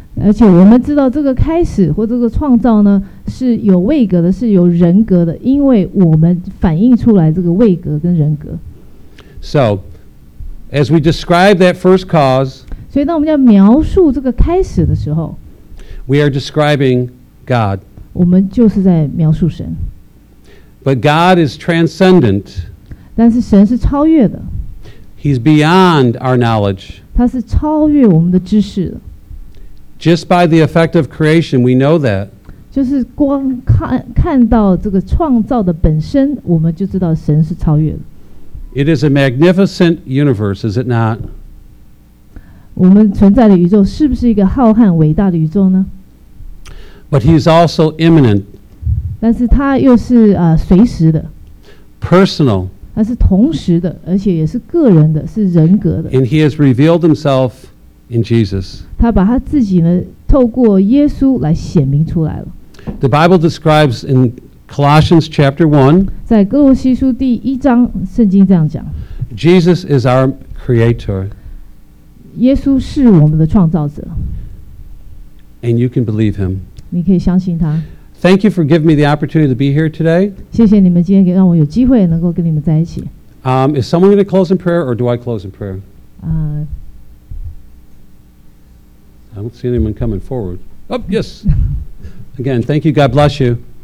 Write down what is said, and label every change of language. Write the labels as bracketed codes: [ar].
[zh] 而且我们知道这个开始或这个创造呢是有位格的，是有人格的，因为我们反映出来这个位格跟人格。 [en] So, as we describe that first cause, [zh] 所以当我们要描述这个开始的时候 [en] ，we are describing God. [zh] 我们就是在描述神。 [en] But God is transcendent. [zh] 但是神是超越的。 [en] He's beyond our knowledge. [zh] 他是超越我们的知识的。 [en] Just by the effect of creation, we know that. [zh] 就是光看到这个创造的本身，我们就知道神是超越的。 [en] It is a magnificent universe, is it not? [zh] 我们存在的宇宙是不是一个浩瀚伟大的宇宙呢？ [en] But he is also immanent. [zh] 但是他又是随时的。 [en] Personal. [zh] 他是同时的，而且也是个人的，是人格的。 [en] And he has revealed himself. In Jesus. [zh] 他把他自己呢透过耶稣来显明出来了。 [en] The Bible describes in Colossians chapter 1, [zh] 在哥罗西书第一章圣经这样讲。 [en] Jesus is our creator. [zh] 耶稣是我们的创造者。 [en] And you can believe him. [zh] 你可以相信他。 [en] Thank you for giving me the opportunity to be here today. [zh] 谢谢你们今天让我有机会能够跟你们在一起。 [en] Is someone going to close in prayer or do I close in prayer? I don't see anyone coming forward. Oh, yes. Again, thank you. God bless you.